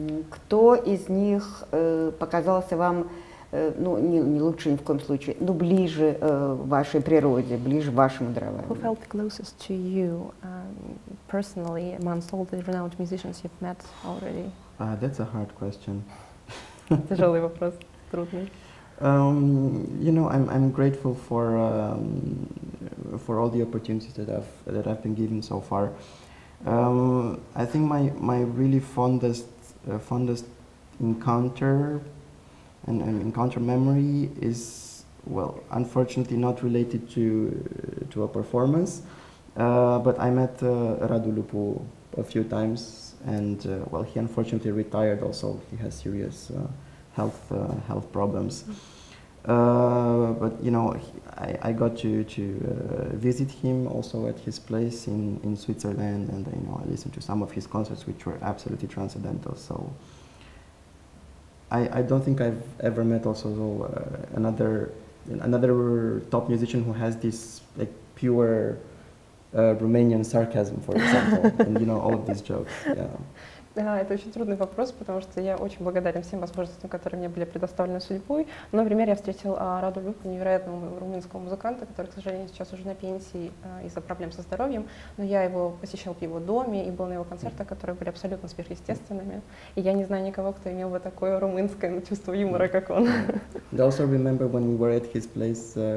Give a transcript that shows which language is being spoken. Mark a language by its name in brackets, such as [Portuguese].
[Russian] Кто из них показался вам, не лучше ни в коем случае, но ближе вашей природе, ближе вашему дарованию? [English] Who felt closest to you personally amongst all the renowned musicians you've met already? That's a hard question. [Russian] Тяжелый вопрос, трудный. [English] I'm grateful for all the opportunities that I've been given so far. I think my really fondest encounter memory is, well, unfortunately not related to a performance, but I met Radu Lupu a few times, and he unfortunately retired also. He has serious health problems. But I got to visit him also at his place in Switzerland, and I listened to some of his concerts, which were absolutely transcendental. So I don't think I've ever met also another top musician who has this pure Romanian sarcasm, for example, and all of these jokes. Yeah. [Russian] Это очень трудный вопрос, потому что я очень благодарен всем возможностям, которые мне были предоставлены судьбой. Но, например, я встретил Раду Люпу, невероятного румынского музыканта, который, к сожалению, сейчас уже на пенсии из-за проблем со здоровьем. Но я его посещал в его доме и был на его концертах, которые были абсолютно сверхъестественными. И я не знаю никого, кто имел бы такое румынское чувство юмора, как он. [English] I also remember when we were at his place.